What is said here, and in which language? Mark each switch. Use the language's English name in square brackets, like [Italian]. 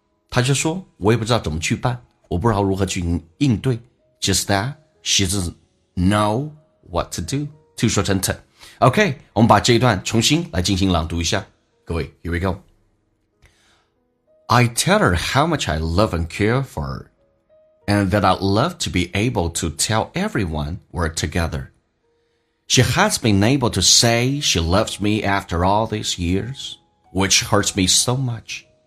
[Chinese] 她就说我也不知道怎么去办，我不知道如何去应对。 [English] Just that she doesn't know what to do. [Chinese] To 说成 to。 OK， 我们把这一段重新来进行朗读一下。 [English] 各位 ，Here we go. I tell her how much I love and care for her, and that I'd love to be able to tell everyone we're together. She has been able to say she loves me after all these years, which hurts me so much.